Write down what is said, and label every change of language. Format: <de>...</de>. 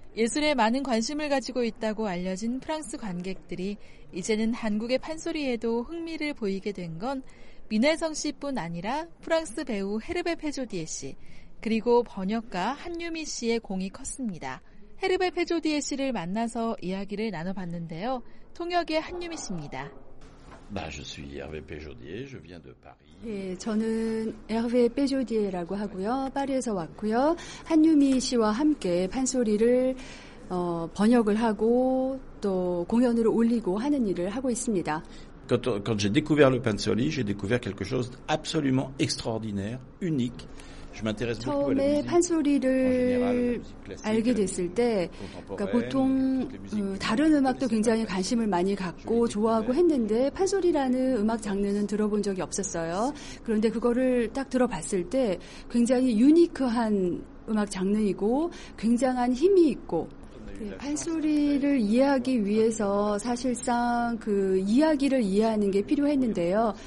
<ko>예술에 많은 관심을 가지고 있다고 알려진 프랑스 관객들이 이제는 한국의 판소리에도 흥미를 보이게 된 건 민혜성 씨뿐 아니라 프랑스 배우 헤르베 페조디에 씨 그리고 번역가 한유미 씨의 공이 컸습니다. 헤르베 페조디에 씨를 만나서 이야기를 나눠봤는데요. 통역의 한유미 씨입니다.</ko> <fr>Je suis Hervé Péjaudier, je viens de Paris.</fr> <ko>예, 저는 에르베 페조디에라고 하고요. 파리에서 왔고요. 한유미 씨와 함께 판소리를 번역을 하고 또 공연으로 올리고 하는 일을 하고 있습니다.</ko> <fr>Quand j'ai découvert le pansori, j'ai découvert quelque chose absolument extraordinaire, unique.</fr> <ko>처음에 판소리를 알게 됐을 때 그러니까 보통 다른 음악도 굉장히 관심을 많이 갖고 좋아하고 했는데 판소리라는 음악 장르는 들어본 적이 없었어요. 그런데 그거를 딱 들어봤을 때 굉장히 유니크한 음악 장르이고 굉장한 힘이 있고 판소리를 이해하기 위해서 사실상 그 이야기를 이해하는 게 필요했는데요.</ko>